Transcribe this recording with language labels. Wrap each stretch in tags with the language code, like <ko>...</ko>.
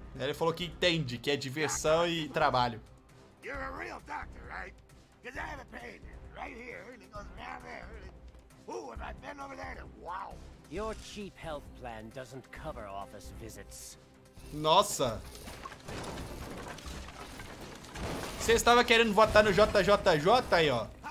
<pt>Ele falou que entende, que é diversão e trabalho.</pt> <en>You're a real doctor, right? Because I have a pain right here, and it goes around there. Ooh, have I been over there? Wow. Your cheap health plan doesn't cover office visits.</en> <pt>Nossa. Você estava querendo votar no JJJ aí, ó.</pt>